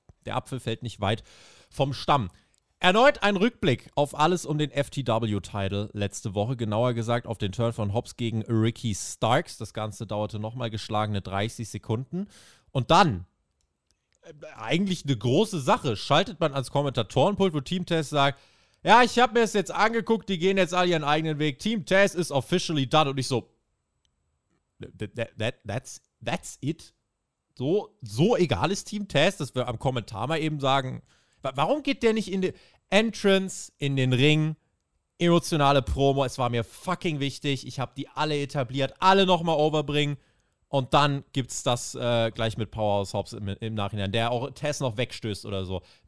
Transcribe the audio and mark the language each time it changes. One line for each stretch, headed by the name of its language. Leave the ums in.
German: der Apfel fällt nicht weit vom Stamm. Erneut ein Rückblick auf alles um den FTW-Title letzte Woche, genauer gesagt auf den Turn von Hobbs gegen Ricky Starks. Das Ganze dauerte nochmal geschlagene 30 Sekunden. Und dann, äh, eigentlich eine große Sache, schaltet man ans Kommentatorenpult, wo Team Test sagt, ja, ich habe mir es jetzt angeguckt, die gehen jetzt alle ihren eigenen Weg. Team Taz ist officially done.
English: Und ich so, that, that, that, that's, that's it?
German: So, so egal ist Team Taz, dass wir am Kommentar mal eben sagen, wa- warum geht der nicht in die Entrance, in den Ring, emotionale Promo, es war mir fucking wichtig, ich habe die alle etabliert, alle nochmal overbringen. Und dann gibt's das äh, gleich mit Powerhouse Hobbs im, im Nachhinein, der auch Tess noch wegstößt oder so.